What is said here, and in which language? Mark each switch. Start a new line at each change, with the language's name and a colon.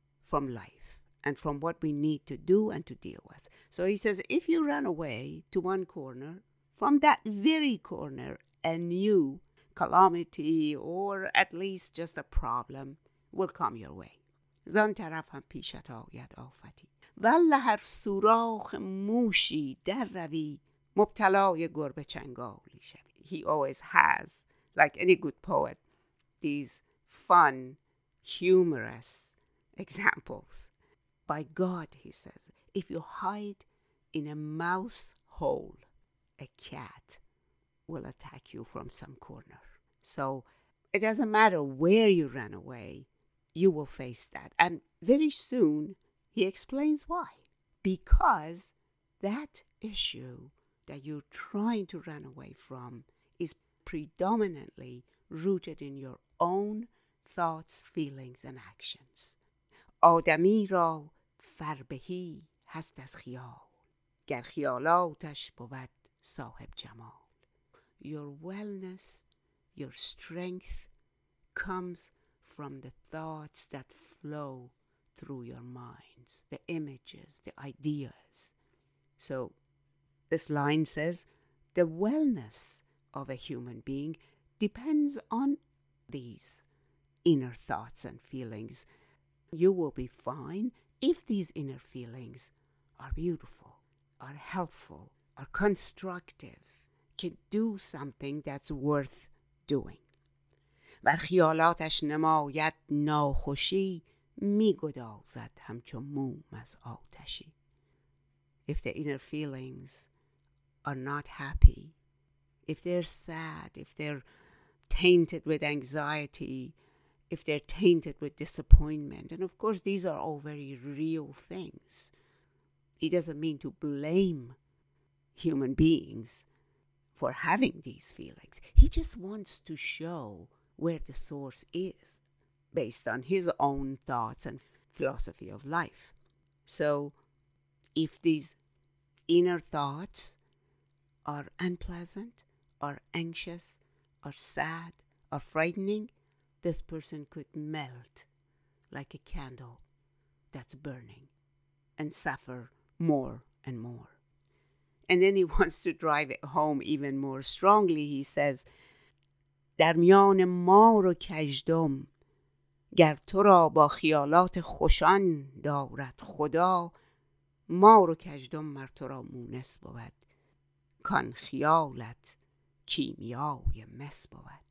English: from life and from what we need to do and to deal with. So he says, if you run away to one corner, from that very corner, a new calamity or at least just a problem will come your way.
Persian: زان طرف هم پیشت آید آفتی. والله هر سوراخ موشی در روی مبتلای گربه چنگالی شوی.
English: He always has, like any good poet, these fun, humorous examples. By God, he says, if you hide in a mouse hole, a cat will attack you from some corner. So it doesn't matter where you run away, you will face that. And very soon, he explains why. Because that issue that you're trying to run away from is predominantly rooted in your own thoughts, feelings, and actions.
Persian: آدمی را فربهی هست از خیال گر خیالاتش بود صاحب جمال.
English: Your wellness, your strength comes from the thoughts that flow through your minds, the images, the ideas. So this line says the wellness of a human being depends on these inner thoughts and feelings. You will be fine if these inner feelings are beautiful, are helpful, are constructive, can do something that's worth doing.
Persian: بر خیالاتش نماید ناخوشی می گدازد همچون موم از آتشی.
English: If the inner feelings are not happy, if they're sad, if they're tainted with anxiety, if they're tainted with disappointment, and of course these are all very real things. He doesn't mean to blame human beings for having these feelings. He just wants to show where the source is, based on his own thoughts and philosophy of life. So if these inner thoughts are unpleasant, are anxious, are sad, are frightening, this person could melt like a candle that's burning and suffer more and more. And then he wants to drive it home even more strongly. He says,
Persian: در میان مار و کژدم گر تو را با خیالات خوشان دارد خدا مار و کژدم مر تو را مونس بود کان خیالت کیمیای مس بود.